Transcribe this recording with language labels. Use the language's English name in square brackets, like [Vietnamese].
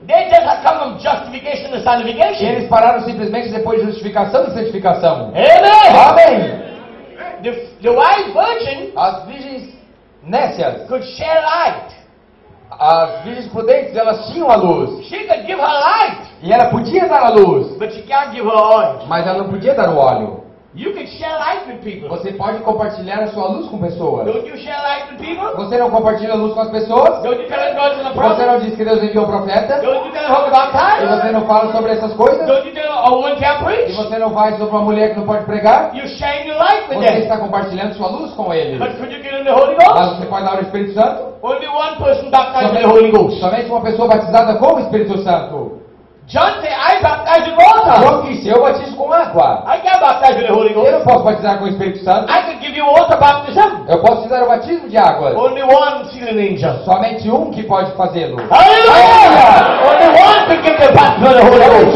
[English] They just have come from justification to sanctification. [Portuguese] Eles pararam simplesmente depois de justificação e santificação. Amém. Amém. [English] The wise virgin. [Portuguese] As virgens nécias. [English] Could share light. [Portuguese] As virgens prudentes, elas tinham a luz. [English] She could give her light. [Portuguese] E ela podia dar a luz. [English] But she can't give her oil. [Portuguese] Mas ela não podia dar o óleo. [English] You can share light with people. [Portuguese] Você pode compartilhar a sua luz com pessoas. [English] Don't you share light with people? [Portuguese] Você não compartilha a luz com as pessoas? [English] Don't you tell God's a [Portuguese] prophet? Você não diz que Deus enviou um profeta? [English] Don't you tell about time? [Portuguese] E você não fala sobre essas coisas? [English] Don't you tell a woman can't preach? [Portuguese] E você não faz sobre uma mulher que não pode pregar? [English] You're sharing your light with [Portuguese] você [English] them. [Portuguese] Está compartilhando sua luz com eles. [English] But could you give them the Holy Ghost? [Portuguese] Mas você pode dar o Espírito Santo? [English] Only one person baptized with the Holy Ghost. [Portuguese] Somente uma pessoa batizada com o Espírito Santo. [English] John said, "I baptize with water." [Portuguese] João disse, eu batizo com água. [English] I can't baptize with the Holy Ghost. [Portuguese] Eu não posso batizar com o Espírito Santo. [English] I can give you water baptism. [Portuguese] Eu posso te dar o batismo de água. [English] Only one sealing angel. [Portuguese] Somente um que pode fazê-lo. [English] Hallelujah! Only one can give the baptism with the Holy Ghost.